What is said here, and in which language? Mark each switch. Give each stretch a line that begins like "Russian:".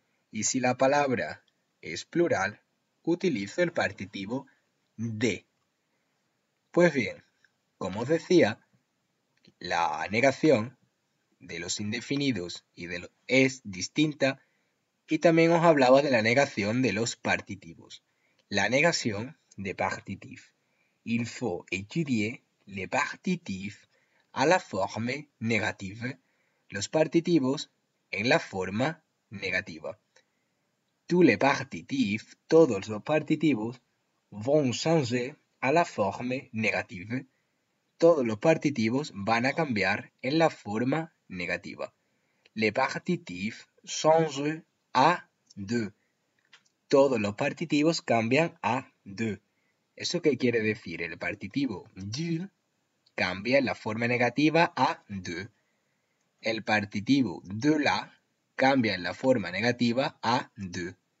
Spanish: Y si la palabra es plural, utilizo el partitivo de. Pues bien, como os decía, la negación de los indefinidos y de lo es distinta, y también os hablaba de la negación de los partitivos. La negación de partitif.
French: Il faut étudier le partitif à la forme négative.
Spanish: Los partitivos en la forma negativa.
French: Tous les partitifs,
Spanish: todos los partitivos,
French: vont changer à la forme négative.
Spanish: Todos los partitivos van a cambiar en la forma negativa.
French: Les partitifs changent à de.
Spanish: Todos los partitivos cambian a de. ¿Eso qué quiere decir? El partitivo du cambia en la forma negativa a de. El partitivo de la cambia en la forma negativa a de.